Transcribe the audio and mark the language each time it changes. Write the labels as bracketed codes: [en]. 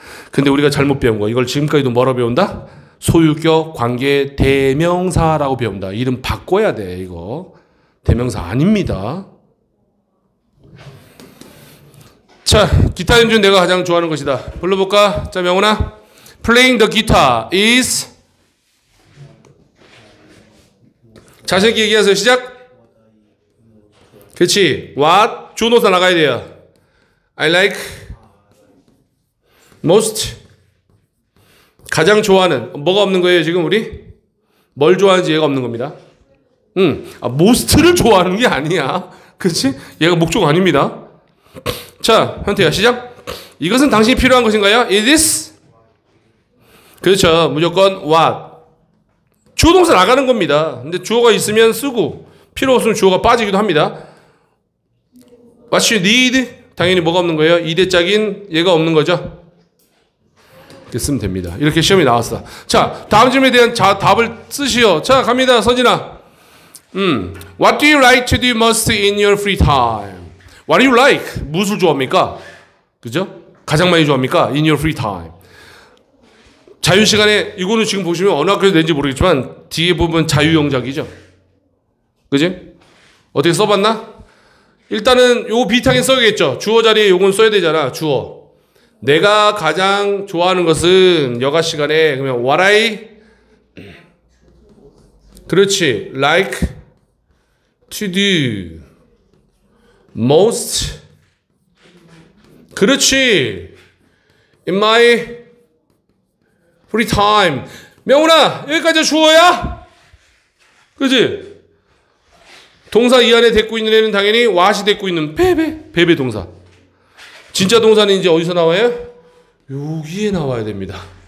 [ko] 근데 우리가 잘못 배운 거 이걸 지금까지도 뭐라 배운다? 소유격 관계 대명사라고 배운다. 이름 바꿔야 돼 이거. 대명사 아닙니다. 자, 기타 연주는 내가 가장 좋아하는 것이다. 불러볼까? 자, 명훈아. [en] Playing the guitar is [ko] 자신 있게 얘기하세요. 시작. 그렇지. What? 주노사 나가야 돼요. [en] I like most. [ko] 가장 좋아하는. 뭐가 없는 거예요 지금 우리? 뭘 좋아하는지 얘가 없는 겁니다. 아, most를 좋아하는 게 아니야. 그렇지? 얘가 목적 아닙니다. 자, 현태야 시작. 이것은 당신이 필요한 것인가요? It is? 그렇죠. 무조건 what. 주어동사 나가는 겁니다. 근데 주어가 있으면 쓰고 필요 없으면 주어가 빠지기도 합니다. [en] What you need? [ko] 당연히 뭐가 없는 거예요? 이대짝인 얘가 없는 거죠. 이렇게 쓰면 됩니다. 이렇게 시험이 나왔어. 자, 다음 질문에 대한 답을 쓰시오. 자, 갑니다. 서진아. [en] What do you like to do most in your free time? What do you like? [ko] 무엇을 좋아합니까? 그죠? 가장 많이 좋아합니까? [en] In your free time. [ko] 자유시간에, 이거는 지금 보시면 어느 학교에서 낸지 모르겠지만 뒤에 보면 자유용작이죠. 그지? 어떻게 써봤나? 일단은 요 비슷하게 써야겠죠. 주어 자리에 요건 써야 되잖아. 주어. 내가 가장 좋아하는 것은 여가 시간에 그러면 [en] what I [ko] 그렇지. [en] like to do most [ko] 그렇지. [en] in my Free time. [ko] 명훈아, 여기까지 주어야? 그지? 동사 이 안에 데리고 있는 애는 당연히 what이 데리고 있는 베베. 베베 동사. 진짜 동사는 이제 어디서 나와요? 여기에 나와야 됩니다.